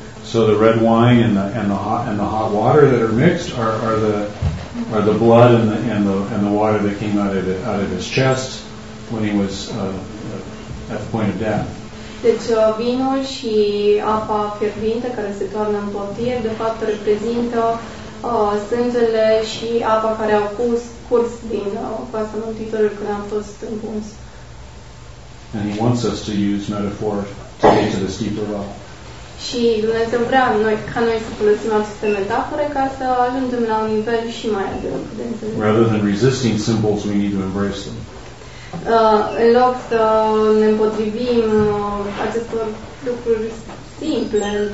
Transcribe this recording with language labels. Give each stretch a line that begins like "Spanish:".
English: So the red wine and the hot water that are mixed are the blood and the water that came out of his chest when he was at the point of death.
Romanian: Deci vinul și apa fierbinte care se toarnă în potir de fapt reprezintă sângele și apa care au curs din coasta mântuitorului când am fost împuns.
English: And he wants us to use metaphor to get to this deeper level.
Romanian: Și Dumnezeu vrea ca noi să folosim aceste metafore ca să ajungem la un nivel și mai adânc de înțeles.
English: Rather than resisting symbols, we need to embrace them.
Romanian: În loc să ne împotrivim acestor lucruri simple,